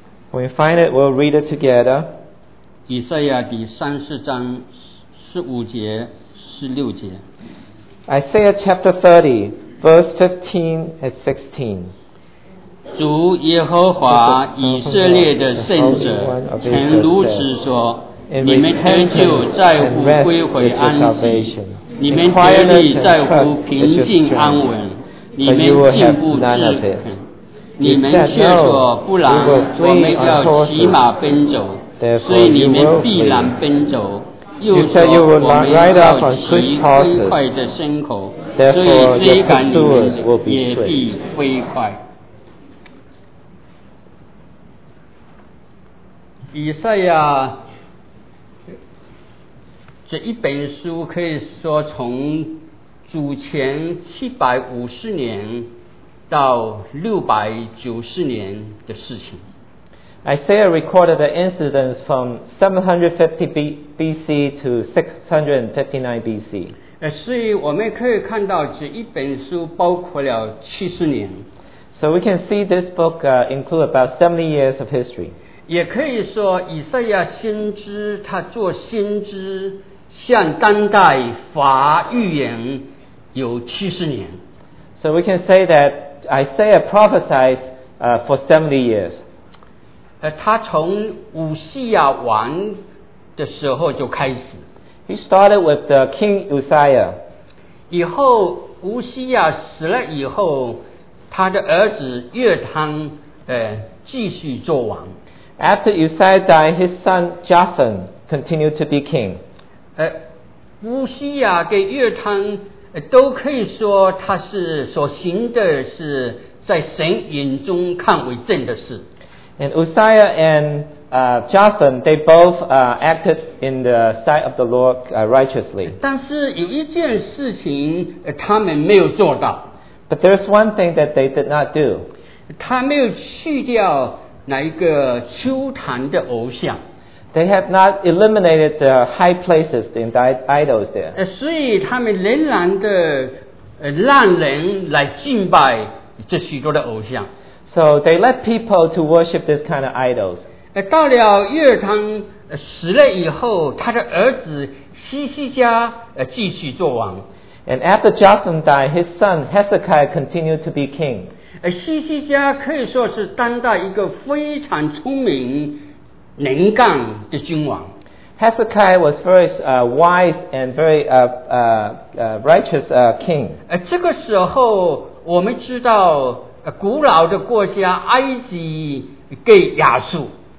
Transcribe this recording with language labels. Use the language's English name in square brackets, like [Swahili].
[English] When we find it, we'll read it together. [Chinese] 以赛亚第三十章十五节、十六节。 [English] Isaiah chapter 30, verse 15 and 16. [Chinese] 主耶和华以色列的圣者曾如此说：你们得救在乎归回安息，你们得力在乎平静安稳，你们进步之肯。你们却说不然，我们要骑马奔走，所以你们必然奔走。又说我们要骑飞快的牲口，所以追赶你们也必飞快。以赛亚这一本书可以说从主前750年。到690年的事情。 [English] Isaiah recorded the incidents from 750 BC to 659 BC. [Chinese] 所以我们可以看到这一本书包括了70年。 [English] So we can see this book include about 70 years of history. [Chinese] 也可以说以赛亚先知他做先知向当代发预言有70年。 [English] So we can say that. Isaiah prophesied for 70 years. [Chinese] 他从乌西亚王的时候就开始。 [English] He started with the king Uzziah. [Chinese] 以后乌西亚死了以后，他的儿子约坦继续做王。 [English] After Uzziah died, his son Jotham continued to be king. [Chinese] 乌西亚给约坦。都可以说他是所行的是在神眼中看为正的事。 [English] And Uzziah and Jotham, they both acted in the sight of the Lord righteously. [Chinese] 但是有一件事情他们没有做到。 [English] But there's one thing that they did not do. [Chinese] 他没有去掉那一个秋坛的偶像。 [English] They have not eliminated the high places, the idols there. [Chinese] 所以他们仍然的让人来敬拜这许多的偶像。 [English] So they let people to worship this kind of idols. [Chinese] 到了约坦死了以后，他的儿子西西家继续做王。 [English] And after Jotham died, his son Hezekiah continued to be king. [Chinese] 西西家可以说是当代一个非常聪明。能干的君王 [English] Hezekiah was very wise and very righteous king. [Chinese] 这个时候我们知道古老的国家埃及给亚述。